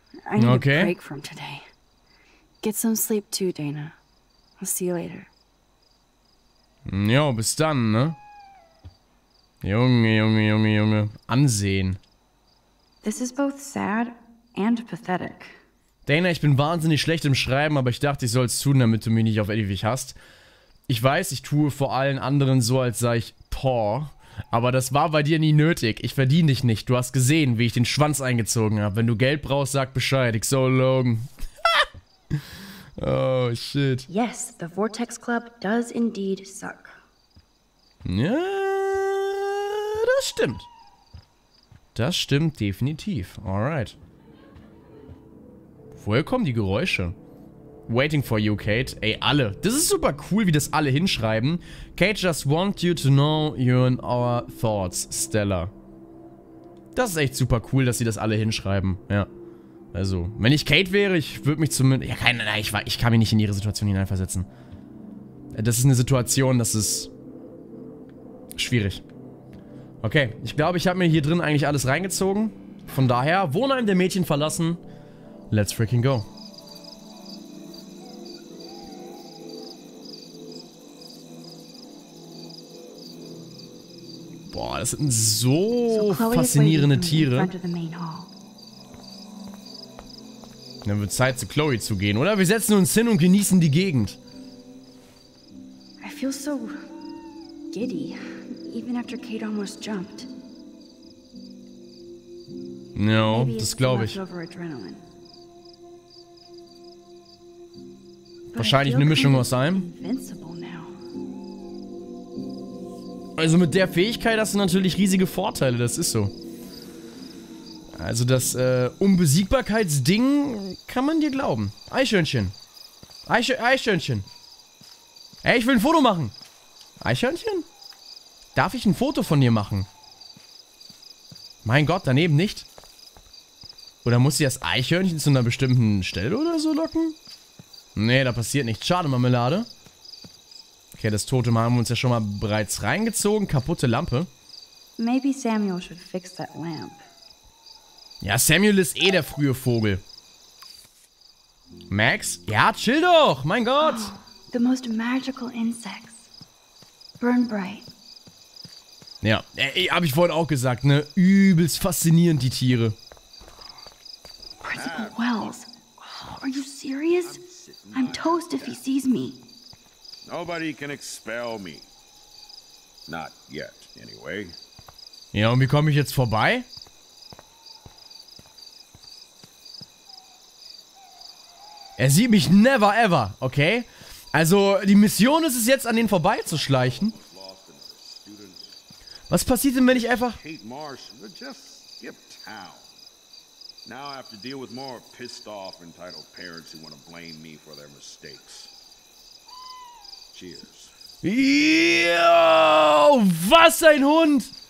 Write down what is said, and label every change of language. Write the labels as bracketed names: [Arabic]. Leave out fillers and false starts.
[English] I need a break from today. Get some sleep too, Dana. I'll see you later. [German] Jo, bis dann, ne? Junge, Junge, Junge, Junge. Ansehen. [English] This is both sad and pathetic. [German] Dana, ich bin wahnsinnig schlecht im Schreiben, aber ich dachte, ich soll es tun, damit du mich nicht auf ewig hast. Ich weiß, ich tue vor allen anderen so, als sei ich poor, aber das war bei dir nie nötig. Ich verdiene dich nicht. Du hast gesehen, wie ich den Schwanz eingezogen habe. Wenn du Geld brauchst, sag Bescheid. Ich soll logen. Oh, shit. [English] Yes, the Vortex Club does indeed suck. [German] Ja, das stimmt. Das stimmt definitiv. Alright. Woher kommen die Geräusche? [English] Waiting for you, Kate. [German] Ey, alle. Das ist super cool, wie das alle hinschreiben. [English] Kate just want you to know you're in our thoughts, Stella. [German] Das ist echt super cool, dass sie das alle hinschreiben. Ja. Also, wenn ich Kate wäre, ich würde mich zumindest... Ja, keine, nein, ich kann mich nicht in ihre Situation hineinversetzen. Das ist eine Situation, das ist... schwierig. Okay, ich glaube, ich habe mir hier drin eigentlich alles reingezogen. Von daher, Wohnheim der Mädchen verlassen... [English] Let's freaking go. [German] Boah, das sind so faszinierende Tiere. Dann wird Zeit, zu Chloe zu gehen, oder? Wir setzen uns hin und genießen die Gegend. [English] I feel so giddy, even after Kate almost jumped. [German] No, das glaube ich. Wahrscheinlich eine Mischung aus allem. Also mit der Fähigkeit hast du natürlich riesige Vorteile, das ist so. Also das Unbesiegbarkeitsding kann man dir glauben. Eichhörnchen. Eichhörnchen. Ey, ich will ein Foto machen. Eichhörnchen? Darf ich ein Foto von dir machen? Mein Gott, daneben nicht. Oder muss ich das Eichhörnchen zu einer bestimmten Stelle oder so locken? Nee, da passiert nichts. Schade, Marmelade. Okay, das Totem haben wir uns ja schon mal bereits reingezogen. Kaputte Lampe. [English] Maybe Samuel should fix that lamp. [German] Ja, Samuel ist eh der frühe Vogel. Max? Ja, chill doch, mein Gott. [English] The most magical insects. Burn bright. [German] Ja, hab ich vorhin auch gesagt, ne? Übelst faszinierend, die Tiere. [English] Principal Wells, are you serious? I'm toast if he sees me. Nobody can expel me. Not yet, anyway. [German] Ja, und wie komme ich jetzt vorbei? Er sieht mich [English] never ever, [German] okay? Also, die Mission ist es jetzt, an den vorbeizuschleichen. Was passiert denn, wenn ich einfach... [English] Kate Marsh, we just skip town. Now I have to deal with more pissed off entitled parents who want to blame me for their mistakes. Cheers. [German] Yo, was ein Hund!